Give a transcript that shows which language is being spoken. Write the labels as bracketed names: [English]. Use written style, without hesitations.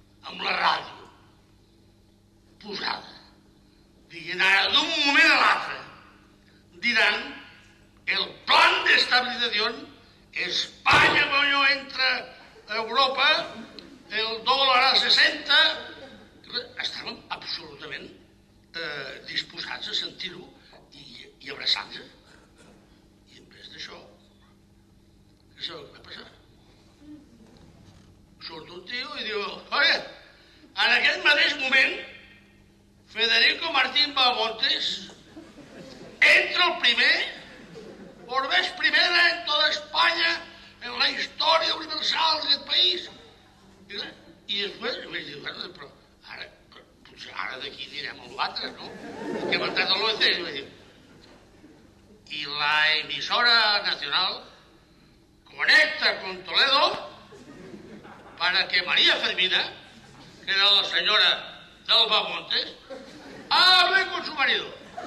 [Catalan] Amb la ràdio posada, diguent ara d'un moment a l'altre, diran el plan d'estabilització, Espanya, millor, entra a Europa, el dòlar a 60, estàvem absolutament disposats a sentir-ho i abraçant-se. I en vez d'això, què sabeu què va passar? Surt un tio i diu, oi, en aquest mateix moment, Federico Martín Balmontes entra el primer, [Spanish] por vez primera en toda España, en la historia universal del país. [Catalan] I després jo vaig dir, bueno, però ara, potser ara d'aquí anirem a l'altre, no? I que hem entrat a l'OECD, i vaig dir, [Spanish] i la emissora nacional conecta con Toledo para que María Fermina, [Catalan] que era la senyora del Balmontes, [Spanish] hable con su marido.